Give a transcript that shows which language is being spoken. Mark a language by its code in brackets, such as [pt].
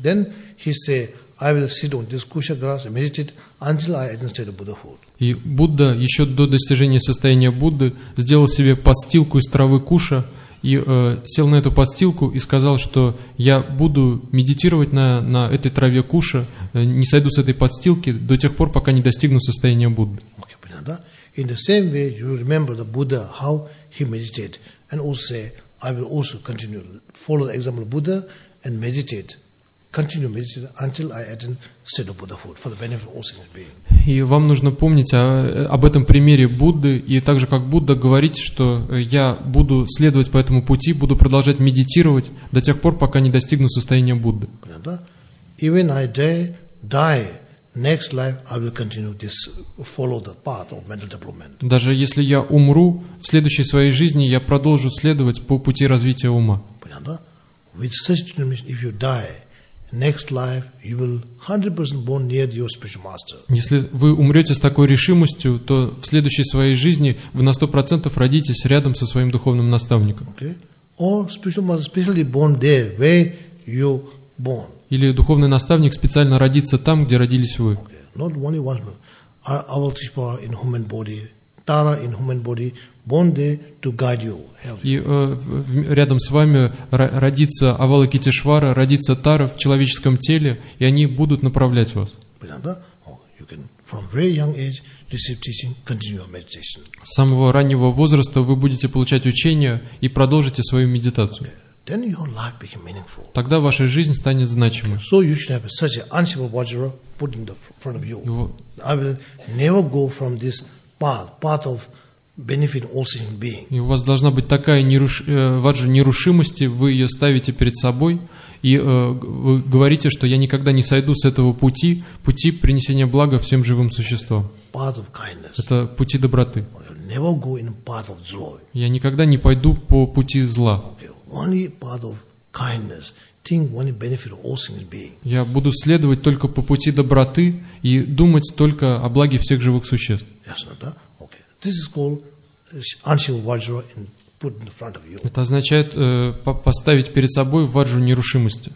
[en] Then he say, I will sit on this kusha grass and meditate until I attain state of Buddhahood. [ru] И Будда еще до достижения состояния Будды сделал себе подстилку из травы куша и сел на эту подстилку и сказал, что я буду медитировать на этой траве куша, не сойду с этой подстилки до тех пор, пока не достигну состояния Будды. Okay, понятно, да? [en] In the same way, you remember the Buddha, how he meditated, and also say, I will also continue, follow the example of Buddha and meditate. Continue meditate until I attain state of Buddhahood for the benefit of all sentient beings. [ru] И вам нужно помнить об этом примере Будды и также как Будда говорить, что я буду следовать по этому пути, буду продолжать медитировать до тех пор, пока не достигну состояния Будды. Да? [en] Even I die, next life I will continue this, follow the path of mental development. [ru] Даже если я умру, в следующей своей жизни я продолжу следовать по пути развития ума. Понятно, да? [en] With such determination, if you die, next life you will 100% born near your spiritual master. [ru] Если вы умрете с такой решимостью, то в следующей своей жизни вы на 100% родитесь рядом со своим духовным наставником. [en] Okay. Or spiritual master specially born there, where you born. [ru] Или духовный наставник специально родится там, где родились вы. [en] Okay. Not only one, Avalokiteshvara in human body, Tara in human body, born there to guide you. [ru] И рядом с вами родится Авалокитешвара, родится Тара в человеческом теле, и они будут направлять вас. [en] You can, from very young age, receive teaching, continue your meditation. [ru] С самого раннего возраста вы будете получать учение и продолжите свою медитацию. [en] Okay. Then your life becomes meaningful. [ru] Тогда ваша жизнь станет значимой. [en] So you should have such an unshakable vajra put in the front of you. I will never go from this path of benefiting all sentient beings. [ru] И у вас должна быть такая ваджа нерушимости, вы ее ставите перед собой, и вы говорите, что я никогда не сойду с этого пути принесения блага всем живым существам. [en] Path of kindness. [ru] Это пути доброты. [en] I will never go in path of joy. [ru] Я никогда не пойду по пути зла. [en] Only path of kindness, think only benefit of all single beings. [ru] Я буду следовать только по пути доброты и думать только о благе всех живых существ. Ясно, да? Okay. [en] This is called Anshin Vajra and put in front of you. [ru] Это означает поставить перед собой ваджру нерушимости.